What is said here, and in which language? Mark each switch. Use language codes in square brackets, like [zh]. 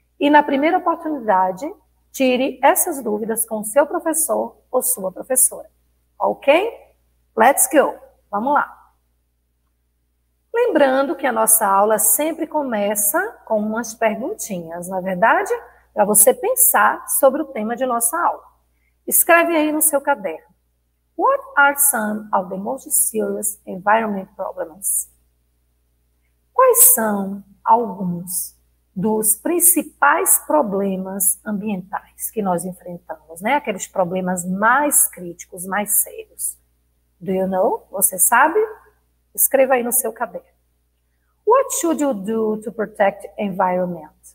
[pt] E na primeira oportunidade, tire essas dúvidas com o seu professor ou sua professora. Ok? [en] Let's go! [pt] Vamos lá! Lembrando que a nossa aula sempre começa com umas perguntinhas, não é verdade? Para você pensar sobre o tema de nossa aula. Escreve aí no seu caderno. [en] What are some of the most serious environment problems? [pt] Quais são alguns dos principais problemas ambientais que nós enfrentamos, né? Aqueles problemas mais críticos, mais sérios. [en] Do you know? [pt] Você sabe? Escreva aí no seu caderno. [en] What should you do to protect environment?